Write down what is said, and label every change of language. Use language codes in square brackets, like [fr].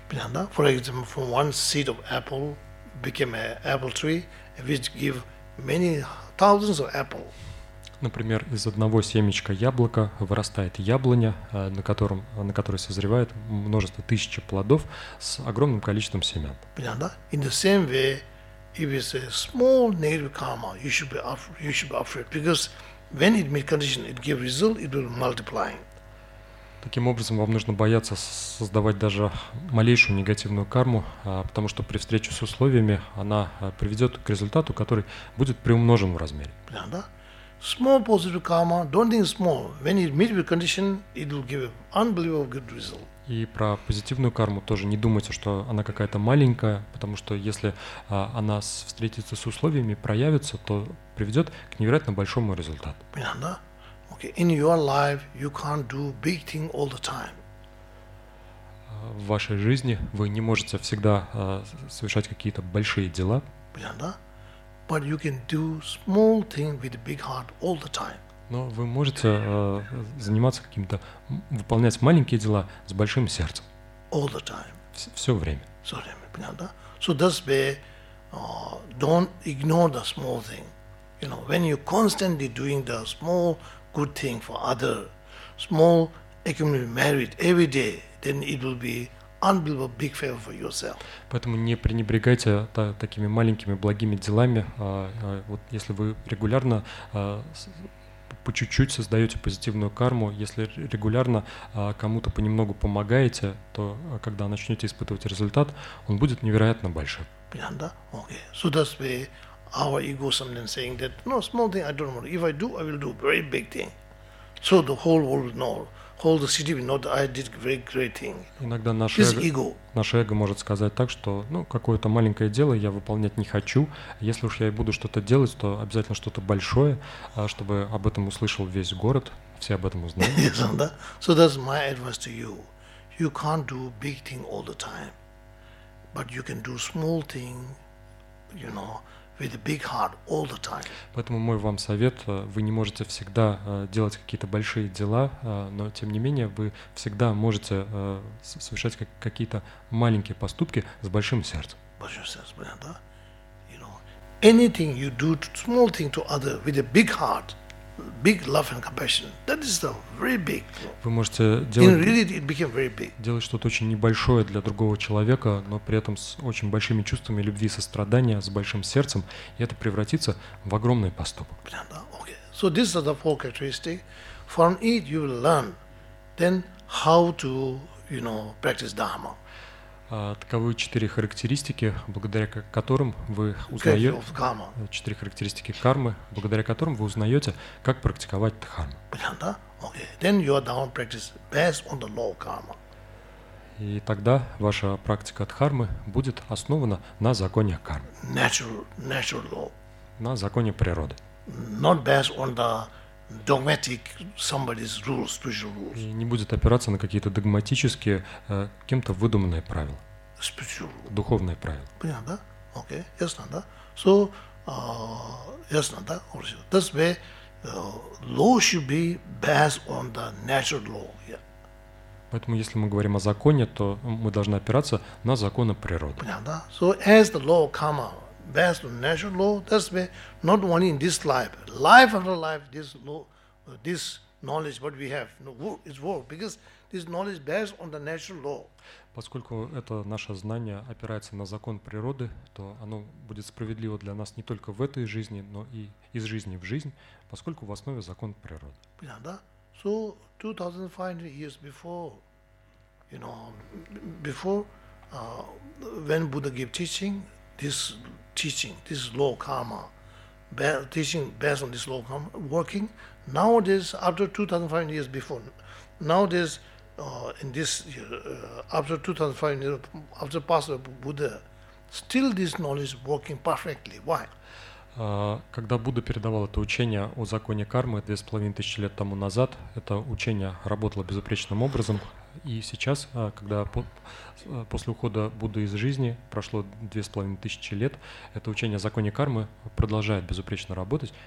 [en] Yeah, [ru] да? [en] For example, from one seed of apple became an apple tree, which give many thousands of apple. [ru] Например, из одного семечка яблока вырастает яблоня, на которой созревает множество тысяч плодов с огромным количеством семян. Понятно? [en] In the same way, if it's a small negative karma, you should be afraid, because when it meets condition, it gives result, it will multiply. [ru] Таким образом, вам нужно бояться создавать даже малейшую негативную карму, потому что при встрече с условиями она приведет к результату, который будет приумножен в размере. Понятно? [en] Small positive karma, don't think small. When it meets with condition, it will give unbelievable good result. [ru] И про позитивную карму тоже не думайте, что она какая-то маленькая, потому что если она встретится с условиями, проявится, то приведет к невероятно большому результату. [en] Yeah, [ru] да? [en] Okay. In your life, you can't do big thing all the time. [ru] В вашей жизни вы не можете всегда совершать какие-то большие дела. [en] Yeah, [ru] да? [en] But you can do small thing with a big heart all the time. [ru] Но вы можете заниматься каким-то, выполнять маленькие дела с большим сердцем. [en] All the time. [ru] Все время. Все время, понятно, да? [en] So that's why don't ignore the small thing. You know, when you're constantly doing the small good thing for other, small accumulated merit every day, then it will be unbelievable big favor for yourself. [ru] Поэтому не пренебрегайте такими маленькими благими делами. Вот если вы регулярно по чуть-чуть создаете позитивную карму, если регулярно кому-то понемногу помогаете, то когда начнете испытывать результат, он будет невероятно большим. Понятно, да? [en] Okay. So that's why our ego sometimes saying that no small thing I don't know. If I do, I will do very big thing. So the whole world will know. Hold the city, not I did very great thing. [ru] Иногда наше эго может сказать так, что ну какое-то маленькое дело я выполнять не хочу. Если уж я и буду что-то делать, то обязательно что-то большое, чтобы об этом услышал весь город, все об этом узнают. Да? [en] So that's my advice to you. You can't do big thing all the time, but you can do small thing, you know. With a big heart all the time. [ru] Поэтому мой вам совет: вы не можете всегда делать какие-то большие дела, но тем не менее вы всегда можете совершать какие-то маленькие поступки с большим сердцем. Большое сердце, понятно, да? [en] You know, anything you do, small thing to other with a big heart, big love and compassion, that is the very big. [ru] Вы можете делать. [en] In reality, it became very big. [ru] Делать что-то очень небольшое для другого человека, но при этом с очень большими чувствами любви, сострадания, с большим сердцем, и это превратится в огромный поступок. Да, [en] okay. So these are the four characteristics. From it you will learn then how to, you know, practice dharma. [ru] Таковы четыре характеристики, благодаря которым вы узнаете четыре характеристики кармы, благодаря которым вы узнаете, как практиковать дхарму. Понятно, да? [en] Okay. Then your dharma practice based on the law of karma. [ru] И тогда ваша практика дхармы будет основана на законе кармы. [en] Natural law. [ru] На законе природы. [en] Not based on the dogmatic somebody's rules, spiritual rules. [ru] И не будет опираться на какие-то догматические, кем-то выдуманные правила. [en] Spiritual. [ru] Духовные правила. Понятно, да? Окей, [en] okay. [ru] Ясно, да? [en] So, [ru] ясно, да? [en] That's why law should be based on the natural law. Yeah. [ru] Поэтому, если мы говорим о законе, то мы должны опираться на законы природы. Понятно, да? [en] So, as the law of karma, based on natural law. That's why not only in this life, life after life, this law, this knowledge what we have, you know, is work because this knowledge based on the natural law. [ru] Поскольку это наше знание опирается на закон природы, то оно будет справедливо для нас не только в этой жизни, но и из жизни в жизнь, поскольку в основе закон природы. [en] Yeah, [ru] да? [en] So 2500 years before, you know, before when Buddha gave teaching, this law karma, teaching based on this law karma working. Nowadays, after 2500 years before, nowadays. In this after 2005 after passing Buddha, still this knowledge working perfectly. Why? [ru] Когда Будда передавал это учение о законе кармы 2500 лет тому назад, это учение работало безупречным образом. И сейчас, когда после ухода Будды из жизни прошло 2500 лет, это учение о законе кармы продолжает безупречно работать.